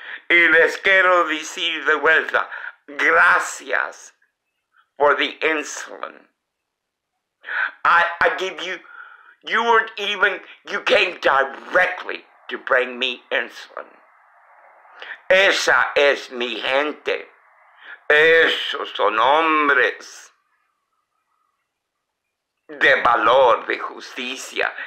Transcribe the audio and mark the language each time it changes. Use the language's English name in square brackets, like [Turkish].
[Spanish] Y les quiero decir de vuelta, gracias [English] for the insulin. I give you, you weren't even, you came directly to bring me insulin. [Spanish] Esa es mi gente. Esos son hombres de valor, de justicia.